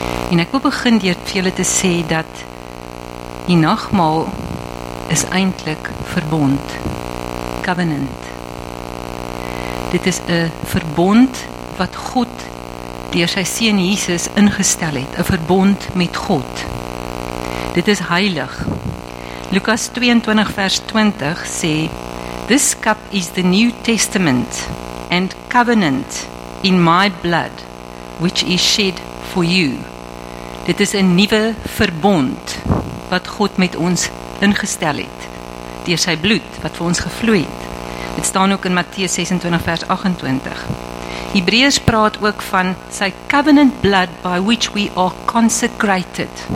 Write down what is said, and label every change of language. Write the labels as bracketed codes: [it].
[af] En ek wil begin deur vir julle te sê dat die nagmaal is eintlik verbond, covenant. Dit is 'n verbond wat God deur sy seun Jesus ingestel het, 'n verbond met God. Dit is heilig. Lukas 22 vers 20 sê, [en] "This cup is the New Testament and covenant in my blood, which is shed for you." [af] Dit is 'n nuwe verbond wat God met ons ingestel het, deur sy bloed wat vir ons gevloei het. Dit staan ook in Matteus 26 vers 28. Hebreërs praat ook van sy [en] covenant blood by which we are consecrated.